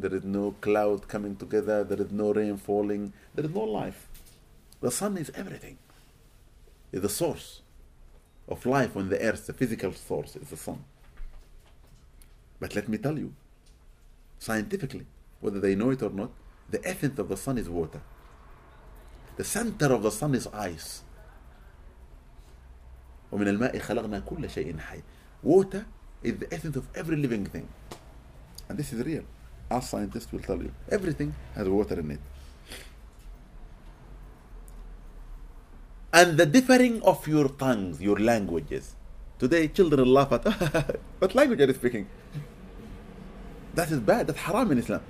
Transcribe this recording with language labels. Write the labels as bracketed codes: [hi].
[en] There is no cloud coming together. There is no rain falling. There is no life. The sun is everything. It's the source of life on the earth. The physical source is the sun. But let me tell you, scientifically, whether they know it or not, the essence of the sun is water. The center of the sun is ice. [ar] ومن الماء خلقنا كل شيء حي. [en] Water is the essence of every living thing. And this is real. Our scientists will tell you. Everything has water in it. And the differing of your tongues, your languages. Today, children laugh at, what language are you speaking? That is bad. That's haram in Islam.